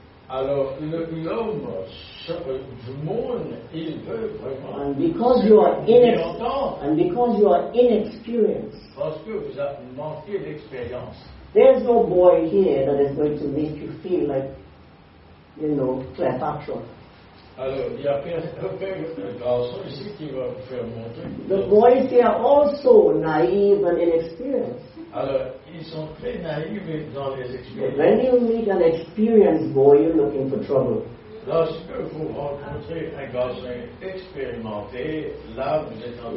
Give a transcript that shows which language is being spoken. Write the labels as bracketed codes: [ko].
[fr] Alors, l'homme du monde, il veut vraiment. [en] And because you are inexperienced. [fr] Parce que vous avez manqué d'expérience. [en] There's no boy here that is going to make you feel like, you know, Cleopatra. [fr] Alors, il y a un garçon ici qui va vous faire montrer. [en] The boys here are also naive and inexperienced. [fr] Alors, ils sont très naïfs dans les expériences. [en] But when you meet an experienced boy, you're looking for trouble. [fr] Lorsque vous rencontrez un garçon expérimenté, là, vous êtes en